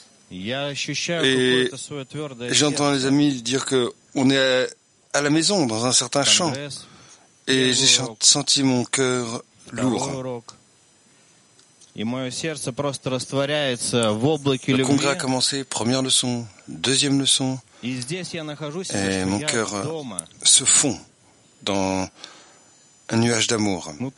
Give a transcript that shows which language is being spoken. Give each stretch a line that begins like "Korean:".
Russian: Я ощущаю какое-то своё твёрдое тело.
French: J'entends les amis dire que on est à la maison dans un certain champ. Et j'ai senti mon cœur lourd.
Russian: И моё сердце просто растворяется в облаке любви.
French: Le congrès a commencé, première leçon, deuxième leçon.
Russian: И здесь я нахожусь сейчас дома.
French: Et mon cœur se fond dans un nuage d'amour.